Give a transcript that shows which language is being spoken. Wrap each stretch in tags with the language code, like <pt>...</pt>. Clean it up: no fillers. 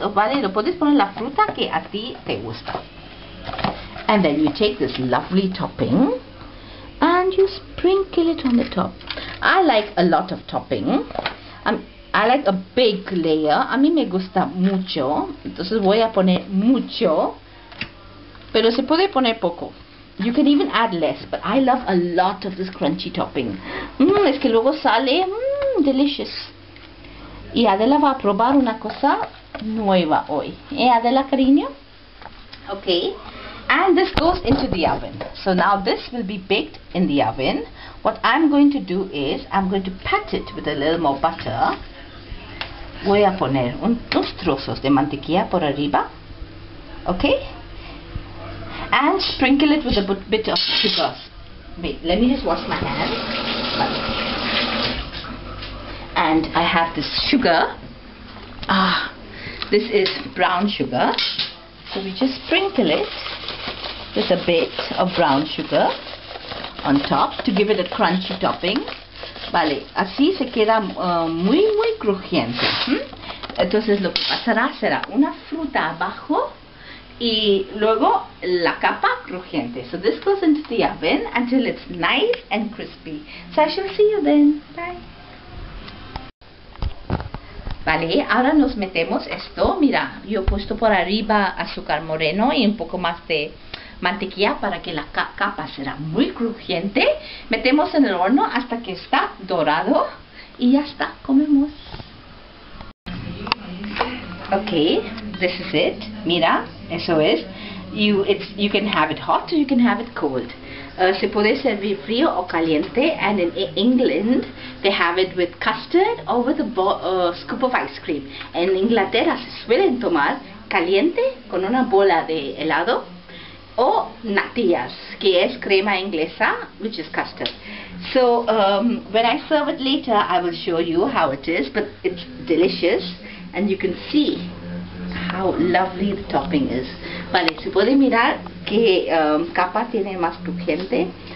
<es>O vale, lo puedes poner la fruta que a ti te gusta.</es> <en>And then you take this lovely topping and you sprinkle it on the top. I like a lot of topping. I like a big layer.</en> <es>A mí me gusta mucho. Entonces voy a poner mucho. Pero se puede poner poco.</es> <en>You can even add less, but I love a lot of this crunchy topping.</en> <es>Es que luego sale, delicious. Y Adela va a probar una cosa nueva hoy. Adela, cariño? Okay.</es> <en>And this goes into the oven. So now this will be baked in the oven. What I'm going to do is, I'm going to pat it with a little more butter.</en> <es>Voy a poner dos trozos de mantequilla por arriba.</es> <en>Okay? And sprinkle it with a bit of sugar. Wait, let me just wash my hands. And I have this sugar. Ah, this is brown sugar. So we just sprinkle it with a bit of brown sugar on top to give it a crunchy topping.</en> <es>Vale, así se queda muy, muy crujiente. Entonces lo que pasará será una fruta abajo y luego la capa crujiente.</es> <en>So this goes into the oven until it's nice and crispy. So I shall see you then. Bye.</en> <es>Vale, ahora nos metemos esto. Mira, yo he puesto por arriba azúcar moreno y un poco más de mantequilla para que la capa será muy crujiente. Metemos en el horno hasta que está dorado y ya está, comemos. Okay,</es> <en>this is it.</en> <es>Mira, eso es.</es> <en>You can have it hot or you can have it cold.</en> <es>Se puede servir frío o caliente,</es> <en>and in England they have it with custard or with a scoop of ice cream.</en> <es>En Inglaterra se suelen tomar caliente con una bola de helado o natillas, que es crema inglesa,</es> <en>which is custard. So when I serve it later, I will show you how it is, but it's delicious, and you can see how lovely the topping is.</en> <es>Vale, se puede mirar qué capa tiene más crujiente.</es>